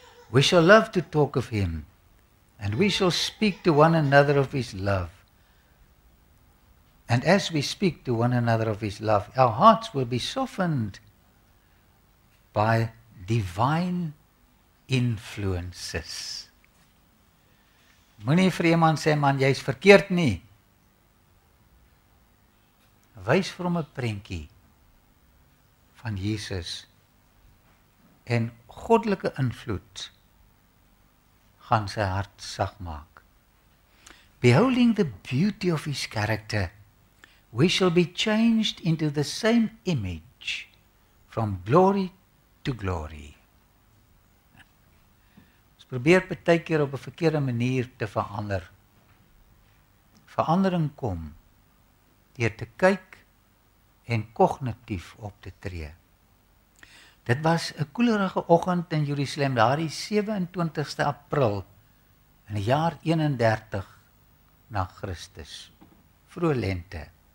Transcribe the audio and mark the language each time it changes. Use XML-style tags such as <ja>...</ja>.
<en>We shall love to talk of him, and we shall speak to one another of his love. And as we speak to one another of his love, our hearts will be softened by divine influences.</en> <af>Moenie vir iemand sê, man, jy's verkeerd nie. Wys vir hom 'n prentjie van Jesus en goddelike invloed gaan sy hart sag maak.</af> <en>Beholding the beauty of his character, we shall be changed into the same image from glory to glory.</en> <af>Ons probeer baie keer op 'n verkeerde manier te verander. Verandering kom deur te kyk en kognitief op te tree. Dit was 'n koelerige oggend in Jerusalem, daardie 27ste April in die jaar 31 na Christus, vroeg lente.</af>